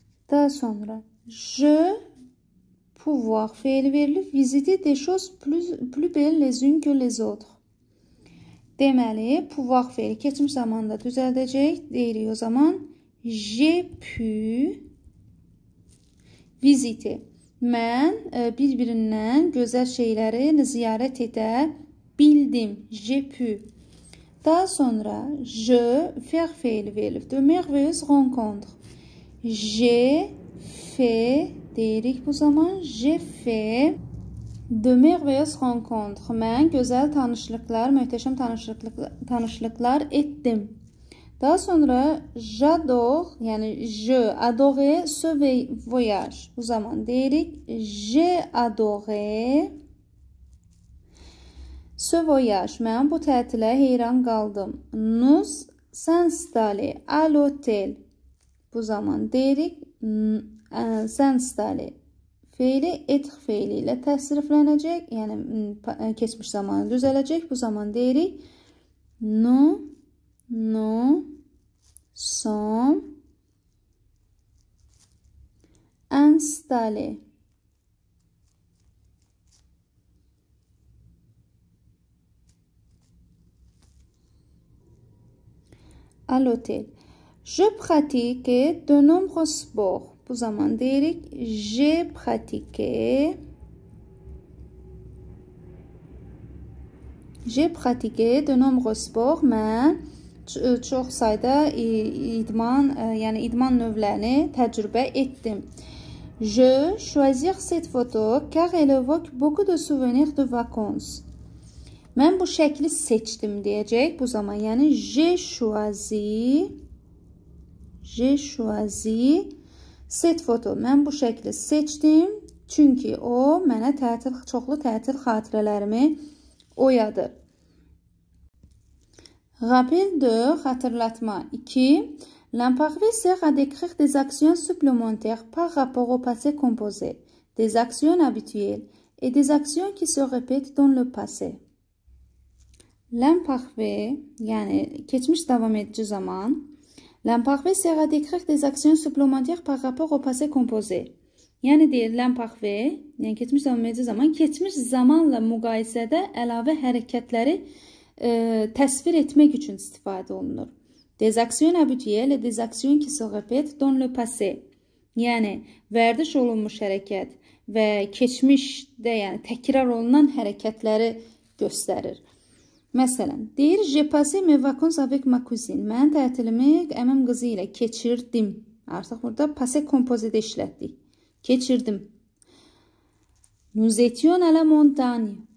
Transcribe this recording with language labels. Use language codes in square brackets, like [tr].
[az] Daha sonra [fr] je pouvoir [az] fiili verilib [fr] visiter des choses plus belles les unes que les autres. [az] Deməli pouvoir fiili keçmiş zamanda düzəldəcək. Deyirik o zaman [fr] je pu visiter. [az] Mən bir-birindən gözəl şeyləri ziyarət edə bildim. [fr] Je pu. [az] Daha sonra [fr] je faire [az] fiili verilib [fr] de merveilleuses rencontres. J'ai fait, [az] deyirik bu zaman, [fr] j'ai fait de merveilleuses rencontres. [az] Mən gözəl tanışlıqlar, möhtəşəm tanışlıqlar etdim. Daha sonra j'adore, yani [fr] je adore ce voyage. [az] Bu zaman deyirik, [fr] j'ai adore ce voyage. [az] Mən bu tətilə heyran qaldım. [fr] Nous s'installer à l'hôtel. [az] Bu zaman deyirik, s'installer feili être feili ilə təsriflənəcək, yəni keçmiş zamanı düzələcək. Bu zaman deyirik, [fr] nous sommes installés à l'hôtel. Je pratique de nombreux sports. [az] Bu zaman deyirik, [fr] je pratique J'ai pratiqué de nombreux sports. [az] Mən çox sayda idman, yəni idman növlərini təcrübə etdim. [fr] Je choisis cette photo car elle évoque beaucoup de souvenirs de vacances. [az] Mən bu şəkli seçdim deyəcək bu zaman. Yəni [fr] je choisis cette photo. [az] Mən bu şəkli seçdim çünki o mənə çoxlu tətil xatirələrimi oyadır. Rappel 2, hatırlatma 2. [fr] L'imparfait sert à décrire des actions supplémentaires par rapport au passé composé, des actions habituelles et des actions qui se répètent dans le passé. [az] L'imparfait, yani geçmiş devam edici zaman. [fr] L'imparfait sert à décrire des actions supplémentaires par rapport au passé composé. [az] Yani deyir, l'imparfait, yani geçmiş devam edici zaman, geçmiş zamanla müqayisədə əlavə hərəkətləri təsvir etmək üçün istifadə olunur. [fr] Des actions habituelles, des actions qui se répètent dans le passé. [az] Yani vərdiş olunmuş hərəkət və keçmişdə yani təkrar olunan hərəkətləri göstərir. Məsələn, deyir, [fr] je passais mes vacances avec ma cousine. [az] Mən tətilimi əmim qızı ilə keçirdim. Artıq burada passé composé-də işlətdik. Keçirdim. [fr] Nous étions à la montagne.